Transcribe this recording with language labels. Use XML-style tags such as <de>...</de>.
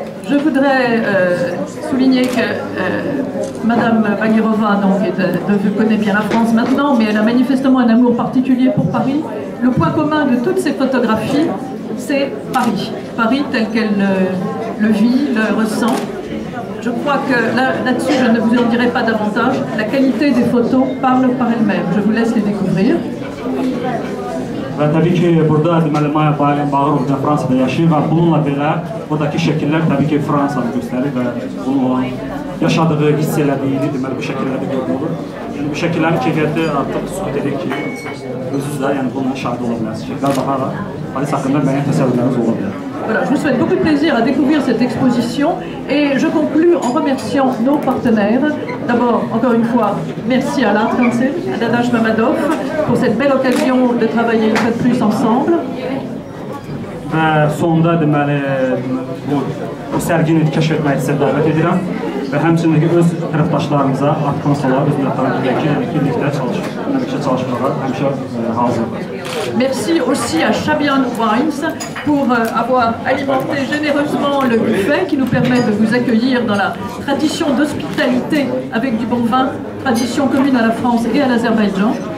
<fr>Je voudrais souligner que Madame Bagirova donc connaît bien la France maintenant, mais elle a manifestement un amour particulier pour Paris. Le point commun de toutes ses photographies, c'est Paris. Paris tel qu'elle le vit, le ressent. Je crois que là-dessus, je ne vous en dirai pas davantage. La qualité des photos parle par elle-même. Je vous laisse les découvrir.</fr> <az>Ve təbii ki, burada deməli, Maya Bagirova Fransada yaşayır və bununla belə buradakı şəkillər təbii ki, Fransada göstərir və bunun yaşadığı, hiss elədiyini deməli, bu şəkillərdə görülür. Yəni, bu şəkillərin keyfiyyəti artıq sübut edir ki, özünüz də yəni, bununla şahid ola bilərsiniz. Şəkillər baxaraq, Paris haqqında müəyyən təsəvvürləriniz ola bilər.</az> <fr>Voilà, je vous souhaite beaucoup de plaisir à découvrir cette exposition et je conclue en remerciant nos partenaires. D'abord, encore une fois, merci à l'Art Council, à Dadash Mamadov, pour cette belle occasion de travailler une fois de plus ensemble.</fr> <az>Sonda deməli bu sərgini keşfetmək sizə dəvət edirəm və həmçinin öz tərəfdaşlarımıza, Art Council'a, öz tərəfdaşlarımıza birlikdə çalışmağa həmişə hazırdır.</az> <fr>Merci aussi à Chabian Wines pour avoir alimenté généreusement le buffet qui nous permet de vous accueillir dans la tradition d'hospitalité avec du bon vin, tradition commune à la France et à l'Azerbaïdjan.</fr>